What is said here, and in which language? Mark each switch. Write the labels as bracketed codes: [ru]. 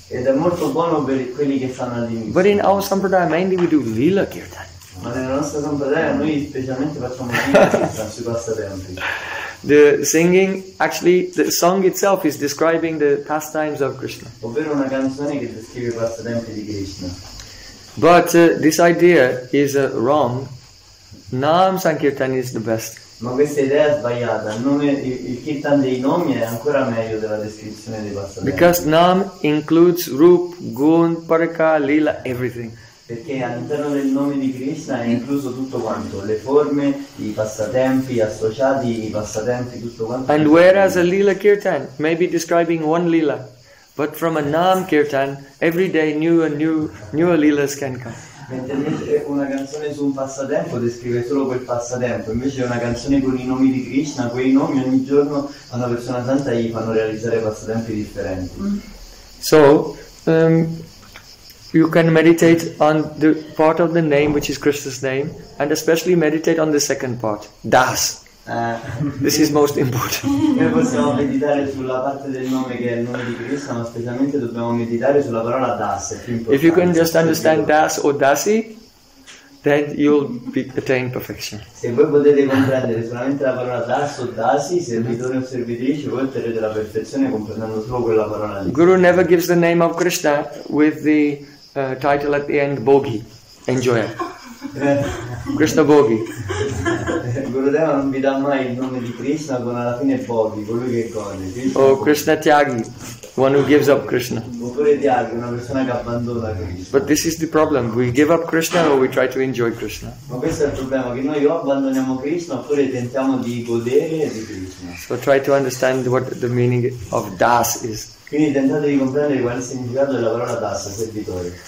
[it] Ed è molto buono per quelli che fanno all'inizio. [en] But in our sampradaya mainly we do Lila Kirtan. [it] Ma nella nostra sampradaya noi specialmente facciamo Lila Kirtan, si passa tempo. [en] The singing, actually, the song itself is describing the pastimes of Krishna. [it] Ovvero una canzone che descrive i pastimes di Krishna. [en] But this idea is wrong. Nam Sankirtan is the best. [it] Ma questa idea è sbagliata. Il kirtan dei nomi è ancora meglio della descrizione dei passatempi. [en] Because nam includes rup, gun, paraka, lila, everything. [it] Perché all'interno del nome di Krishna è incluso tutto quanto, le forme, i passatempi associati, i passatempi, tutto quanto. [en] And whereas a lila kirtan may be describing one lila, but from a nam kirtan, every day newer lilas can come. [it] Mentre una canzone su un passatempo descrive solo quel passatempo, invece una canzone con i nomi di Krishna, quei nomi ogni giorno a una persona santa gli fanno realizzare passatempi differenti. [en] So you can meditate on the part of the name which is Krishna's name, and especially meditate on the second part, Das. This is most important. [it] Noi possiamo meditare sulla parte del nome che è il nome di Krishna, ma specialmente dobbiamo meditare sulla parola Das. [en] If you can just understand Das or Dasi, then you'll attain perfection. [it] Se voi potete comprendere solamente la parola Das o Dasi, servitore o servitrice, voi otterrete la perfezione comprendendo solo quella parola. [en] Guru never gives the name of Krishna with the title at the end, Bogi. Enjoy. Krishna Bogi. [it] Gurudeva non vi dà mai il nome di Krishna con alla fine Bogi, colui che gode. [en] Oh, Krishna Tyagi, one who gives up Krishna. [it] Oppure Tyagi, una persona che abbandona Krishna. [en] But this is the problem, we give up Krishna or we try to enjoy Krishna. [it] Ma questo è il problema, che noi o abbandoniamo Krishna oppure tentiamo di godere di Krishna. [en] So try to understand what the meaning of Das is. [it] Quindi tentate di comprendere qual è il significato della parola Dasa, servitore.